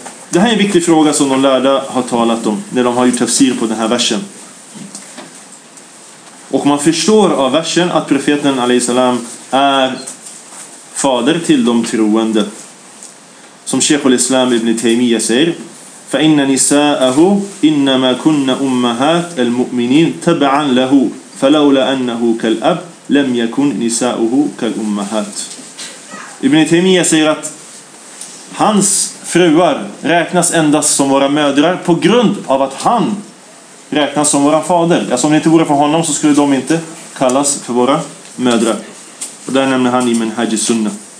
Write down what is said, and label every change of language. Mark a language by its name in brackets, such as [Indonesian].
[Swedish] Det här är en viktig fråga som de lärda har talat om när de har gjort tafsir på den här versen. Och man förstår av versen att profeten a.s. är fader till de troende. Som Sheikh al-Islam ibn Taymiyyah säger, [Arabic] فَإِنَّ نِسَاءَهُ إِنَّمَا كُنَّ أُمَّهَاتَ الْمُؤْمِنِينَ تَبَعًا لَهُ فَلَوْلَ أَنَّهُ كَالْأَبْ لَمْ يَكُنْ نِسَاءُهُ كَالْأُمَّهَاتِ. [Swedish] Ibn Taymiyyah säger att hans fruar räknas endast som våra mödrar på grund av att han räknas som våra fader. Alltså om det inte vore för honom så skulle de inte kallas för våra mödrar. Och där nämner han i Minhaj Sunna.